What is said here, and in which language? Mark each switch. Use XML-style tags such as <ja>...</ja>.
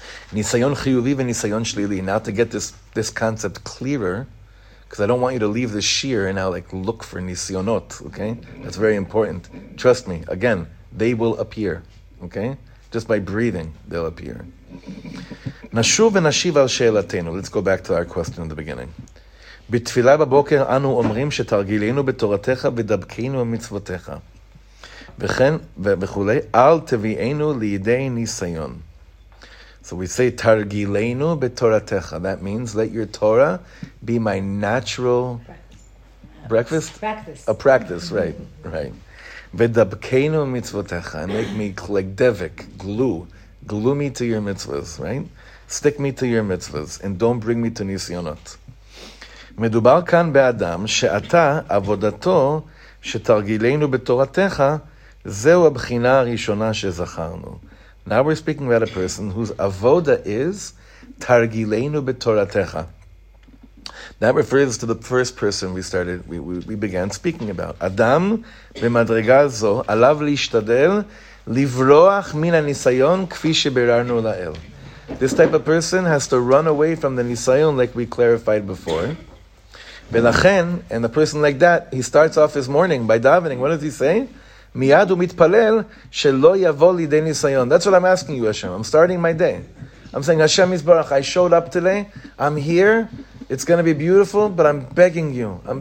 <he>Nisayon chiyuvi v'nisayon shlili.</he> <en>Now to get this concept clearer, because I don't want you to leave the shir and now like look for nisayonot, okay? That's very important. Trust me, again, they will appear, okay? Just by breathing, they'll appear.</en> <he>נשוב ונשיב על שאלתנו.</he> <en>Let's go back to our question in the beginning.</en> <he>בתפילה בבוקר אנו אומרים שתרגילינו בתורתך ודבקינו במצוותך. וכן וכולי, אל תביאנו לידי ניסיון.</he> <en>So we say</en> <he>תרגילינו בתורתך.</he> <en>That means let your Torah be my natural breakfast. A practice, right.</en> <he>ודבקינו במצוותך.</he> <en>And make me like דבק, glue me to your mitzvahs, right? Stick me to your mitzvahs and don't bring me to nisyonot.</en> <he>מדובר כאן באדם שאתה עבודתו שתרגילנו בתורתך, זהו הבחינה הראשונה שזכרנו.</he> <en>Now we're speaking about a person whose avoda is</en> <he>תרגילנו בתורתך.</he> <en>That refers to the first person we began speaking about.</en> <he>אדם במדרגה זו עליו להשתדל לברוח מן הניסיון כפי שביררנו לאל.</he> <en>This type of person has to run away from the nisayon like we clarified before. ולכן, and a person like that, he starts off his morning by davening. What does he say?</en> <he>מיד הוא מתפלל שלא יבוא לידי ניסיון.</he> <en>That's what I'm asking you, Hashem. I'm starting my day. I'm saying, Hashem Yisbarach, I showed up today. I'm here. It's going to be beautiful, but I'm begging you.</en>